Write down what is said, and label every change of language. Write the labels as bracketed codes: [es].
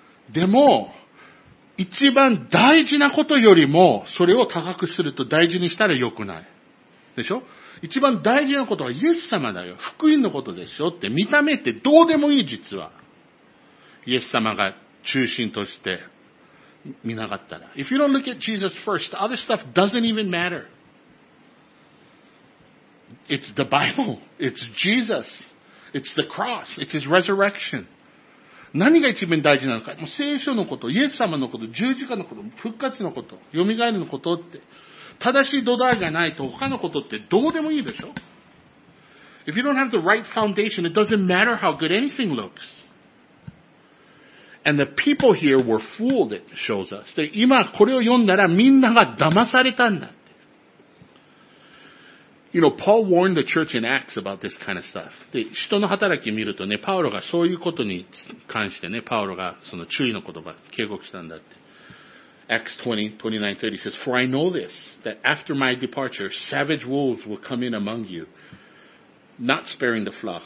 [ja] でも、一番大事なことよりも、それを高くすると大事にしたら良くない。でしょ？一番大事なことはイエス様だよ。福音のことでしょって。見た目ってどうでもいい、実は。イエス様が中心として見なかったら。 [en] If you don't look at Jesus first, the other stuff doesn't even matter. It's the Bible. It's Jesus. It's the cross. It's his resurrection. [ja] 何が一番大事なのか、もう聖書のこと、イエス様のこと、十字架のこと、復活のこと、蘇りのことって、正しい土台がないと他のことってどうでもいいでしょ。 [en] If you don't have the right foundation, it doesn't matter how good anything looks. And the people here were fooled, it shows us. [ja] で、今これを読んだらみんなが騙されたんだって。 [en] You know, Paul warned the church in Acts about this kind of stuff. [ja] で、人の働き見るとね、パウロがそういうことに関してね、パウロがその注意の言葉、警告したんだって。 [en] Acts 20:29-30 says, For I know this, that after my departure, savage wolves will come in among you, not sparing the flock.